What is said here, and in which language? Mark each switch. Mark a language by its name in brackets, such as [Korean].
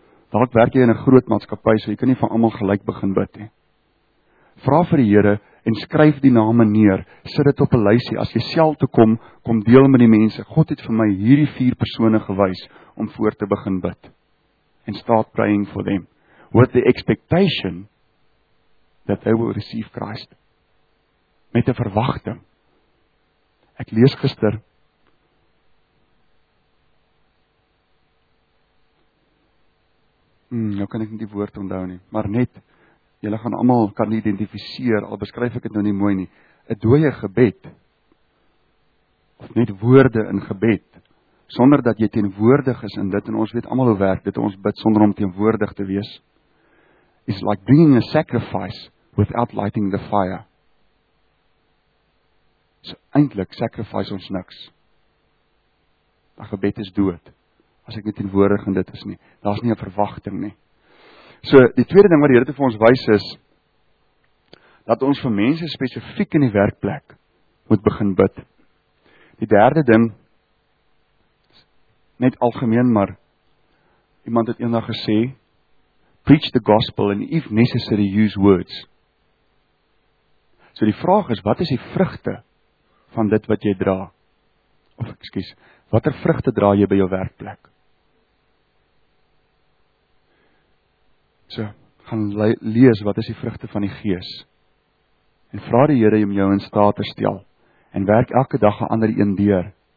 [Afrikaans] Dalk werk jy in 'n groot maatskappy, so jy kan nie vir almal gelyk begin bid nie. Vra vir die Here, en skryf die name neer, sit dit op 'n lysie, as jy self toe kom, kom deel met die mense, God het vir my hierdie vier persone gewys, om voor te begin bid. [English] En start praying for them. With the expectation, that they will receive Christ, [Afrikaans] met 'n verwagting. Ek lees gister, nou kan ek nie die woord onthou nie, maar net, Julle gaan almal kan identifiseer, al beskryf ek dit nou nie mooi nie. 'N Dooie gebed. Of net woorde in gebed. Sonder dat jy teenwoordig is in dit, en ons weet almal hoe werk dit, ons bid sonder om teenwoordig te wees. [English] It's like bringing a sacrifice without lighting the fire. [Afrikaans] So eintlik sacrifice ons niks. 'N Gebed is dood. As ek nie teenwoordig in dit is nie, daar's nie 'n verwagting nie. So die tweede ding wat die Here te vir ons wys is dat ons vir mense spesifiek in die werkplek moet begin bid. Die derde ding net algemeen, maar iemand het eendag gesê [English] preach the gospel and if necessary use words. [Afrikaans] So die vraag is, wat is die vrugte van dit wat jy dra? Of ekskuus, watter vrugte dra jy by jou werkplek? So, gaan lees wat is die vrugte van die gees en vra die Here om jou in staat te stel en werk elke dag 'n ander een deur.